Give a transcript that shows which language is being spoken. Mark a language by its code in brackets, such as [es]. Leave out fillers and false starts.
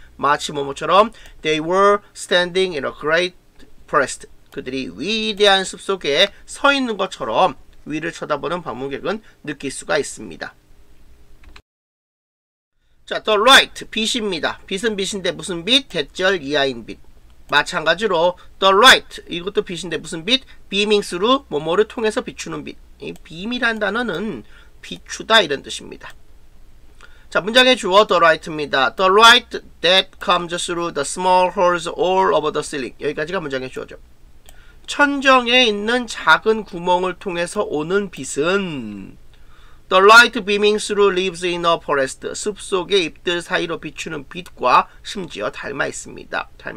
[ko] 마치 뭐뭐처럼, [en] they were standing in a great forest. [ko] 그들이 위대한 숲 속에 서 있는 것처럼 위를 쳐다보는 방문객은 느낄 수가 있습니다. 자, [en] the light, [ko] 빛입니다. 빛은 빛인데 무슨 빛? 대절 이하인 빛. 마찬가지로 [en] the light, [ko] 이것도 빛인데 무슨 빛? [en] beaming through, [ko] 뭐뭐를 통해서 비추는 빛. 이 beam이란 단어는 비추다 이런 뜻입니다. 자, 문장의 주어 the light입니다. [en] The light that comes through the small holes all over the ceiling. [ko] 여기까지가 문장의 주어죠. 천정에 있는 작은 구멍을 통해서 오는 빛은 [en] the light beaming through leaves in a forest. [ko] 숲 속의 잎들 사이로 비추는 빛과 심지어 닮았습니다.